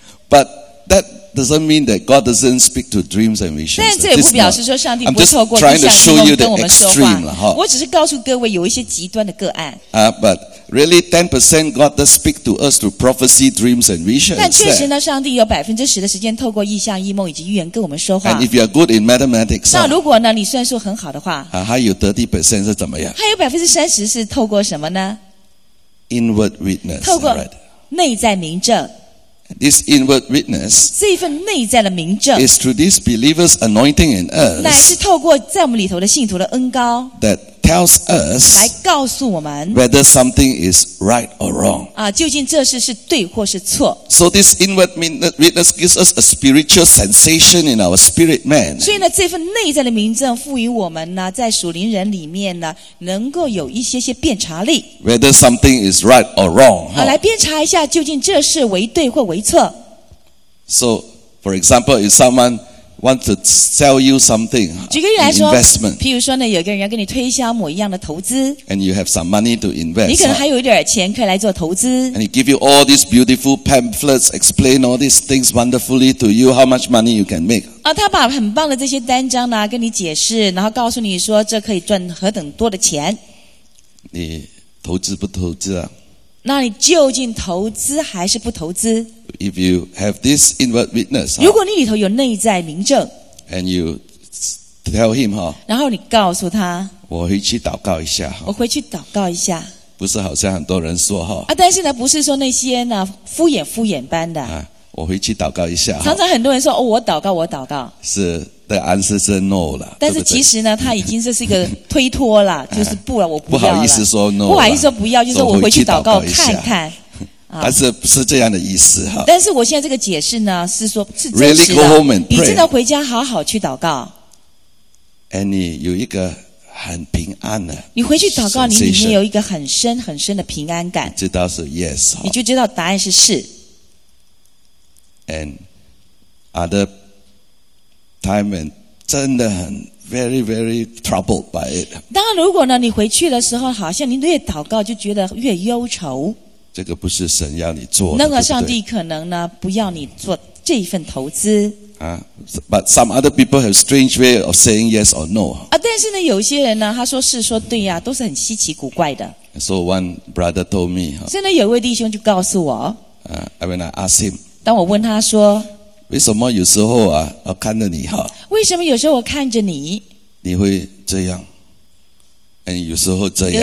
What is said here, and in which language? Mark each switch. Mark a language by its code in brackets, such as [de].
[en] But that doesn't mean that God doesn't speak to dreams and visions. [zh] 但这也不表示说上帝不透过意象跟我们说话。哈，我只是告诉各位有一些极端的个案。 [en] But really 10% God does speak to us through prophecy, dreams and visions. [zh] 但确实呢，上帝有10%的时间透过意象、异梦以及预言跟我们说话。 [en] And if you are good in mathematics, [zh] 那如果呢，你算术很好的话，还有30%是怎么样？还有30%是透过什么呢 [en] ？Inward witness. [zh] 透过内在明证。 [en] This inward witness [zh] 这一份内在的明证 [en] is through this believer's anointing in us [zh] 乃是透过在我们里头的信徒的恩膏 [en] that tells us [zh] 来告诉我们 [en] whether something is right or wrong. [zh] 啊，究竟这事是对或是错。 [en] So this inward witness gives us a spiritual sensation in our spirit man. [zh] 所以呢，这份内在的明证赋予我们呢，在属灵人里面呢，能够有一些些辨察力。 [en] Whether something is right or wrong. [zh] 啊，来辨察一下，究竟这事为对或为错。 [en] So, for example, if someone want to sell you something, [zh] 举个例来说 [en] investment, [zh] 譬如说呢，有个人要跟你推销某一样的投资 [en] and you have some money to invest, [zh] 你可能还有一点钱可以来做投资 [en] and he give you all these beautiful pamphlets, explain all these things wonderfully to you, how much money you can make. [zh] 啊，他把很棒的这些单张呢跟你解释，然后告诉你说这可以赚何等多的钱。你投资不投资啊？那你究竟投资还是不投资？ [en] If you have this inward witness, [zh] 如果你里头有内在明证 [en] and you tell him, [zh] 然后你告诉他我回去祷告一下，我回去祷告一下，不是好像很多人说啊，但是呢不是说那些呢敷衍敷衍般的、啊、我回去祷告一下，常常很多人说、哦、我祷告我祷告，是的 answer 是 no 了，但是其实呢对对他已经这是一个推脱了就是不了我不要了，不好意思说 no, 不好意思说不要，就是我回去祷告看看，但是不是这样的意思、啊、但是我现在这个解释呢是说是真实的、 [en] really、go home and pray. [zh] 你真的回家好好去祷告 and 你有一个很平安的，你回去祷告你里面有一个很深很深的平安感，知道是 yes, 你就知道答案是是 [en] and other time and [zh] 真的很 [en] very very troubled by it, [zh] 当然如果呢你回去的时候好像你越祷告就觉得越忧愁，这个不是神要你做的，那个上帝可能呢不要你做这份投资啊。 [en] But some other people have strange way of saying yes or no 啊。 [zh] 但是呢，有些人呢，他说是说对呀、啊，都是很稀奇古怪的。 [en] So one brother told me [zh] 所以呢，有一位弟兄就告诉我 [en] 啊 ，When I ask him， [zh] 当我问他说，为什么有时候啊，我看着你哈、啊，为什么有时候我看着你，你会这样？And 有时候这样，